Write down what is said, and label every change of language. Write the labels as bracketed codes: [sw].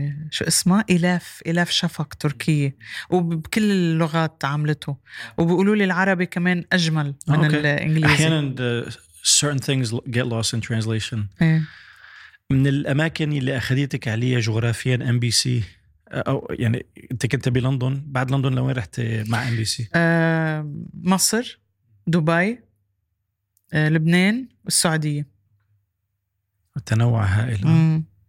[ar] شو اسمه، إلاف شفق، تركية وبكل اللغات عملته، وبيقولوا لي العربي كمان أجمل من الإنجليزي. [en] أحيانا certain things get lost in translation. [ar] من الأماكن اللي أخذتك عليها جغرافيا MBC، أو يعني أنت كنت بلندن، بعد لندن لوين رحت مع MBC؟ مصر، دبي، لبنان، والسعودية. التنوع هائل.